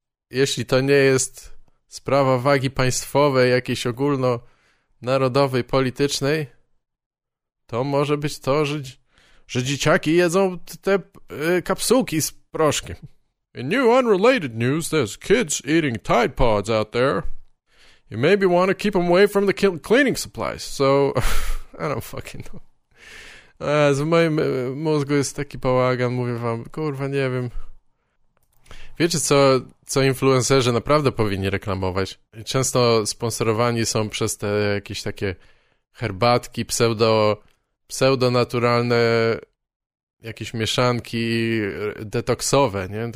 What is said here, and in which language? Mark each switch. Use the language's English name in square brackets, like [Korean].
[Polish] Jeśli to nie jest sprawa wagi państwowej, jakiejś ogólnonarodowej, politycznej, to może być to, że dzieciaki jedzą te kapsułki z proszkiem. [English] In new unrelated news, there's kids eating Tide Pods out there. You maybe want to keep them away from the cleaning supplies. So, I don't fucking know. [Polish] Z moim mózgu jest taki bałagan, mówię wam, kurwa, nie wiem. Wiecie, co influencerzy naprawdę powinni reklamować? Często sponsorowani są przez te jakieś takie herbatki pseudonaturalne, jakieś mieszanki detoksowe, nie?